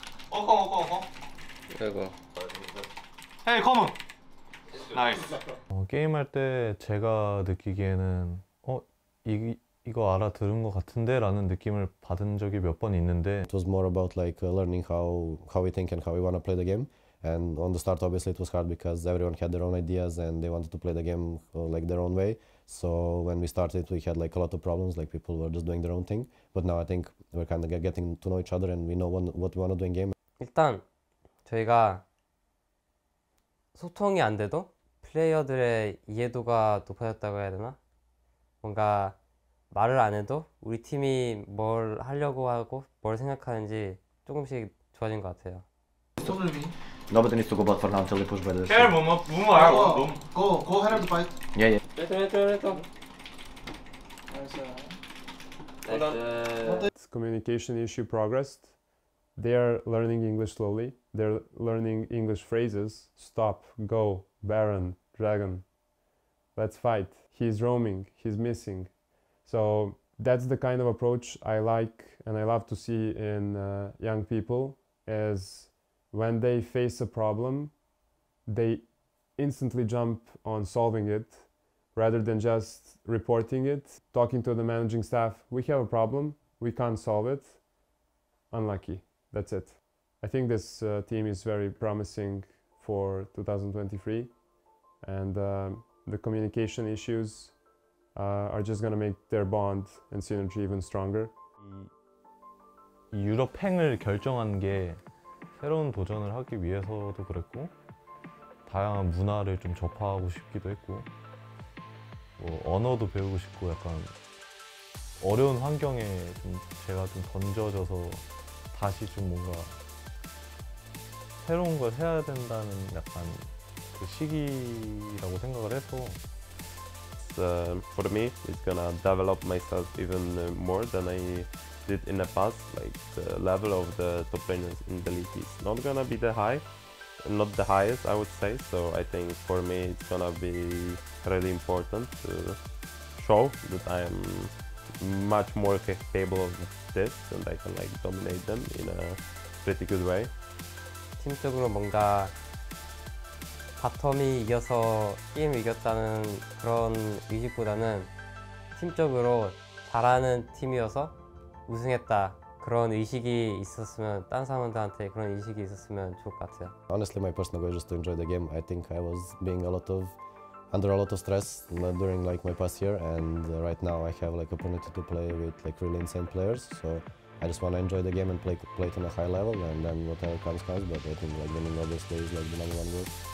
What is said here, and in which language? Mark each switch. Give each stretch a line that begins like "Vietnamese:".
Korean: 어커, 어커, 어커. 최고.
English: Hey, come on. Nice.
Korean: 게임할 때 제가 느끼기에는 이거 알아들은 것 같은데 라는 느낌을 받은 적이 몇 번 있는데
English: It was more about like learning how we think and how we want to play the game. And on the start obviously it was hard because everyone had their own ideas and they wanted to play the game like their own way. So when we started we had like a lot of problems, like people were just doing their own thing. But now I think we're kind of getting to know each other and we know what we want to do in game.
Korean: 일단 저희가 소통이 안 돼도 플레이어들의 이해도가 높아졌다고 해야 되나? 뭔가 말을 안 해도 우리 팀이 뭘 하려고 하고 뭘 생각하는지 조금씩 좋아진 것 같아요.
English: Nobody needs to go bot for now until they push by the side. Care, Momo. Momo, I want to go. Go ahead and fight. Yeah, yeah. Let's go. It's communication issue progressed. They are learning English slowly. They're learning English phrases. Stop, go, Baron, Dragon. Let's fight. He's roaming, he's missing. So that's the kind of approach I like and I love to see in young people is when they face a problem, they instantly jump on solving it rather than just reporting it. Talking to the managing staff, we have a problem, we can't solve it. Unlucky. That's it. I think this team is very promising for 2023 and the communication issues are just going to make their bond and synergy even stronger.
Korean: 유럽행을 결정한 게 새로운 도전을 하기 위해서도 그랬고 다양한 문화를 좀 접하고 싶기도 했고 뭐 언어도 배우고 싶고 약간 어려운 환경에 좀 제가 좀 던져져서 다시 좀 뭔가 새로운 걸 해야 된다는 약간 그 시기라고 생각을 해서
English: For me, it's gonna develop myself even more than I did in the past. Like the level of the top laners in the league is not gonna be that high, not the highest, I would say. So I think for me, it's gonna be really important to show that I am much more capable of this and I can like dominate them in a pretty good way.
Korean: 팀적으로 뭔가 바텀이 이겨서 게임 이겼다는 그런 의식보다는 팀적으로 잘하는 팀이어서 우승했다 그런 의식이 있었으면 다른 사람들한테 그런 의식이 있었으면 좋을 것 같아요.
English: Honestly, my personal goal is to enjoy the game. I think I was being under a lot of stress during like my past year, and right now I have like opportunity to play with like really insane players. So I just want to enjoy the game and play it on a high level, and then whatever comes. But I think like winning obviously is like the number one goal.